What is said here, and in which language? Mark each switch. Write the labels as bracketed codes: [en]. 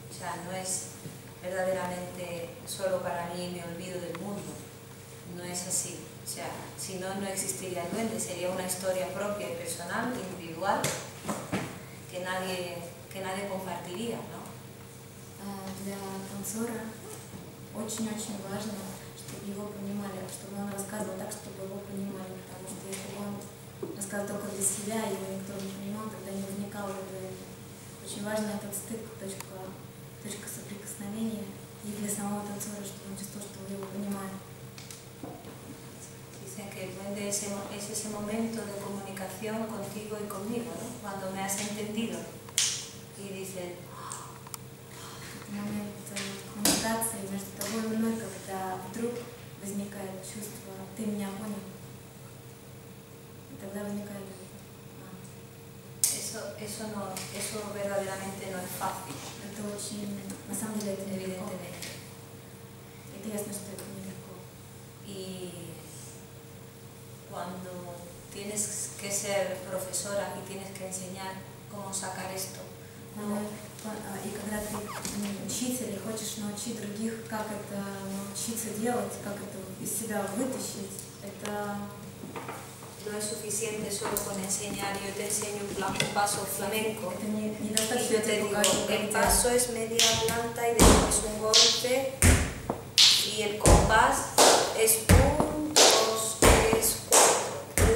[es] O sea, no es verdaderamente solo para mí y me olvido del mundo. No es así. O sea, si no, no existiría el duende. Sería una historia propia y personal, individual, que nadie compartiría, ¿no? [ru] Для танцора очень-очень важно. Его понимали, чтобы он рассказывал так, чтобы его понимали, потому что если бы он рассказывал только для себя, его никто не понимал, тогда не вникал в это. Очень важно этот стык, точка соприкосновения и для самого танцора, чтобы он чувствовал, что его понимали. [es] Dicen que el duende es ese momento de comunicación contigo y conmigo, ¿no? Cuando me has entendido. Y dicen, [ru] момент коммуникации между тобой и мной, когда вдруг возникает чувство «ты меня понял», и тогда возникает это очень, на самом деле, это нелегко. Это ясно, что это нелегко. И [es] cuando tienes que ser profesora y tienes que enseñar cómo sacar esto, [ru] и когда ты учитель и хочешь научить других, как это научиться делать, как это из себя вытащить, это [es] no es suficiente solo con enseñar, yo te enseño un paso flamenco. [ru] Это недостаточно, я тебе покажу. [es] El paso es media planta y después un golpe y el compás es 1, 2, 3, 4.